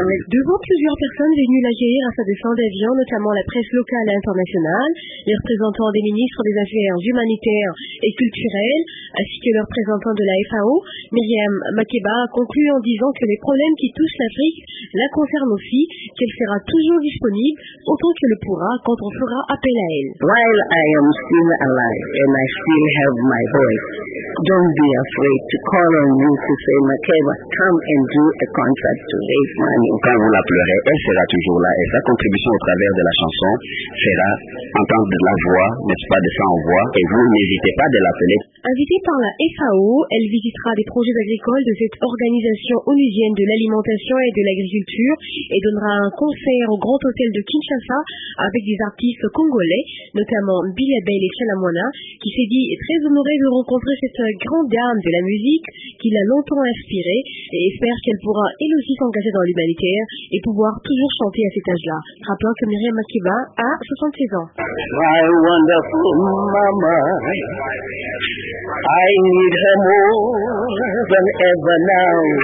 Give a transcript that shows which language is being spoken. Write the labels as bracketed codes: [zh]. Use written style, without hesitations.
[fr] Devant plusieurs personnes venues l'accueillir à sa descente d'avion, notamment la presse locale et internationale, les représentants des ministres des Affaires humanitaires et culturelles, ainsi que le représentant de la FAO, Myriam Makeba, a conclu en disant que les problèmes qui touchent l'Afrique la concernent aussi, qu'elle sera toujours disponible autant qu'elle le pourra quand on fera appel à elle. [en] While I am still alive and I still have my voice, don't be afraid to call on me to say, Makeba, come and do a contract to raise money. [fr] Quand vous la pleurez, elle sera toujours là et sa contribution au travers de la chanson sera entendre de la voix, n'est-ce pas, de sans voix, et vous n'hésitez pas de l'appeler. Invitée par la FAO, elle visitera des projets agricoles de cette organisation onusienne de l'alimentation et de l'agriculture et donnera un concert au Grand Hôtel de Kinshasa avec des artistes congolais, notamment Billy Abel et Chalamwana, qui s'est dit très honoré de rencontrer cette grande dame de la musique qui l'a longtemps inspirée et espère qu'elle pourra elle aussi s'engager dans l'humanitaire et pouvoir toujours chanter à cet âge-là. Rappelons que Myriam Makeba a 76 ans. [en] My wonderful mama, I need her more than ever now.